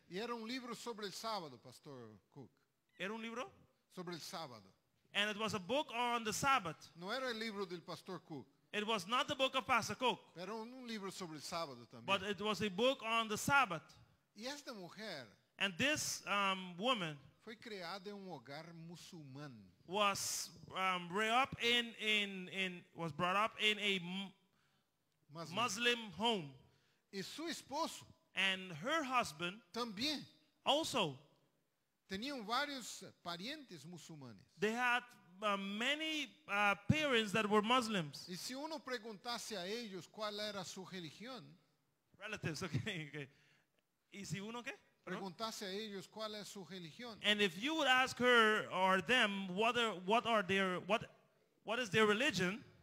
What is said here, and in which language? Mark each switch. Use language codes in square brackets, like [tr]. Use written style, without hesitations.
[pt] E era livro sobre o sábado, Pastor Cook. Era livro? Sobre o sábado. [en] And it was a book on the Sabbath. [pt] Não era o livro do Pastor Cook. [en] It was not the book of Pastor Cook. [pt] Era livro sobre o sábado também. [en] But it was a book on the Sabbath. [pt] E esta mulher. [en] And this woman. [pt] Foi criada em hogar muçulmano. [en] Was brought up in a Muslim home. [pt] E seu esposo. [en] And her husband. [pt] Também. [en] Also. [pt] Tinham vários parentes muçulmanos. [en] They had many parents that were Muslims. [pt] E se uno perguntasse a eles qual era a sua religião? [en] Relatives, okay. [pt] E se uno que? Perguntasse a eles qual é a sua religião? [en] And if you would ask her or them what is their religion?